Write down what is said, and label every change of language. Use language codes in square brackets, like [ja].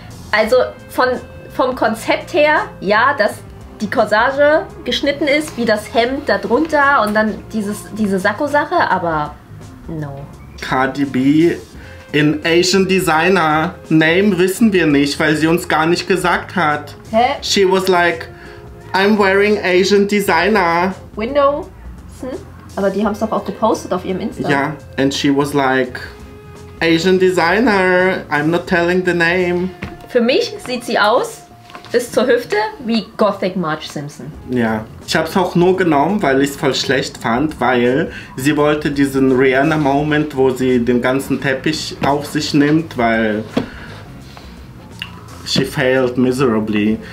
[de] Also, vom Konzept her, ja, dass die Corsage geschnitten ist, wie das Hemd da drunter und dann diese Sakko-Sache, aber no. [en] Cardi B in Asian Designer. [de] Name wissen wir nicht, weil sie uns gar nicht gesagt hat. Hä? [en] She was like, I'm wearing Asian Designer. Window? Hm? [de] Aber die haben es doch auch gepostet auf ihrem Insta. [en] Ja, and she was like, Asian Designer, I'm not telling the name. [de] Für mich sieht sie aus, bis zur Hüfte, wie Gothic Marge Simpson. Ja, ich habe es auch nur genommen, weil ich es voll schlecht fand, weil sie wollte diesen Rihanna-Moment, wo sie den ganzen Teppich auf sich nimmt, weil [en] she failed miserably.